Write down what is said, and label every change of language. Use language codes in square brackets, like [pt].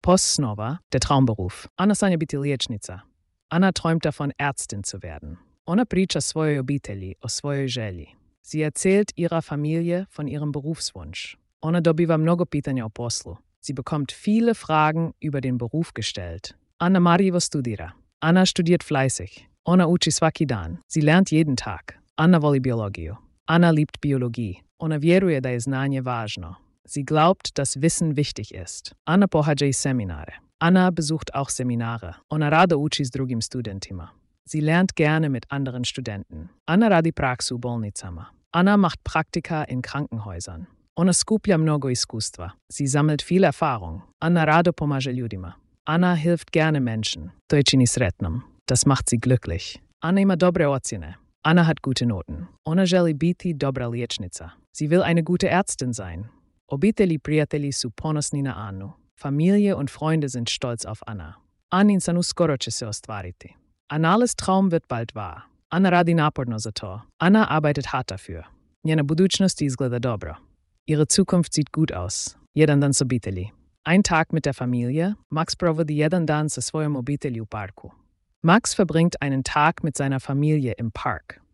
[de] Postnova, der Traumberuf. Anna ist eine bitte Liečnica. Anna träumt davon, Ärztin zu werden. [hr] Ona priča svojoj obitelji o svojoj želji. [de] Sie erzählt ihrer Familie von ihrem Berufswunsch. [hr] Ona dobiva mnogo pitanja o poslu. [de] Sie bekommt viele Fragen über den Beruf gestellt. [hr] Anna marljivo studira. [de] Anna studiert fleißig. [hr] Ona uči svaki dan. [de] Sie lernt jeden Tag. [hr] Anna voli biologiju. [de] Anna liebt Biologie. [hr] Ona vjeruje da je znanje važno. [de] Sie glaubt, dass Wissen wichtig ist. [hr] Anna pohađa i seminare. [de] Anna besucht auch Seminare. [hr] Ona rado uči s drugim studentima. [de] Sie lernt gerne mit anderen Studenten. [hr] Anna radi praksu u bolnicama. [de] Anna macht Praktika in Krankenhäusern. [hr] Ona skuplja mnogo iskustva. [de] Sie sammelt viel Erfahrung. [hr] Anna rado pomaže ljudima. [de] Anna hilft gerne Menschen. [hr] To je čini sretnom. [de] Das macht sie glücklich. [hr] Anna ima dobre ocjene. [de] Anna hat gute Noten. [hr] Ona želi biti dobra liječnica. [de] Sie will eine gute Ärztin sein. [hr] Obitelji prijatelji su ponosni na Anu. [de] Familie und Freunde sind stolz auf Anna. [hr] Anin san uskoro će se ostvariti. [de] Annales Traum wird bald wahr. [hr] Anna radi naporno za to. [de] Anna arbeitet hart dafür. [hr] Njena budućnost izgleda dobro. [de] Ihre Zukunft sieht gut aus. [hr] Jedan dan s obitelji. [de] Ein Tag mit der Familie. [hr] Max provodi jedan dan sa svojom obitelji u parku. [de] Max verbringt einen Tag mit seiner Familie im Park.